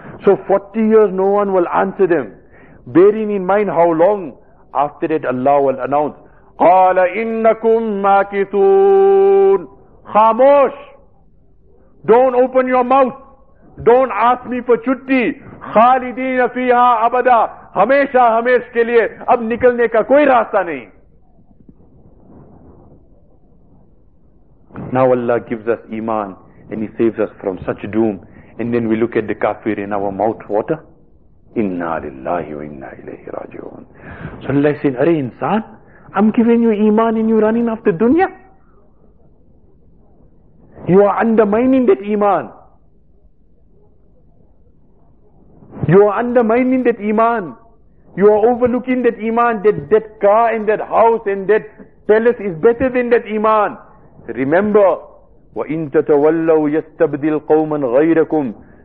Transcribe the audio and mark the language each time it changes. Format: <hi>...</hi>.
<en>So 40 years no one will answer them. Bearing in mind how long, after that Allah will announce,</en> <ar>قَالَ إِنَّكُمْ مَاكِثُونَ.</ar> <en>خَامُوش, don't open your mouth, don't ask me for chutti.</en> <ar>خَالِدِينَ فِيهَا abada.</ar> <ur>Hamesha hamesh ke liye, ab nikalne ka koi raasta nahi.</ur> <en>Now Allah gives us iman and he saves us from such doom, and then we look at the kafir in our mouth water.</en> <ar>Inna lillahi wa inna ilayhi raji'un.</ar> <en>So Allah is saying,</en> <ur>aray insan,</ur> <en>I'm giving you iman and you're running after dunya. You are undermining that iman. You are undermining that iman. You are overlooking that iman, that car and that house and that palace is better than that iman. Remember,</en> <ar>وَإِن تَتَوَلَّوْ يَسْتَبْدِلْ قَوْمًا غَيْرَكُمْ.</ar>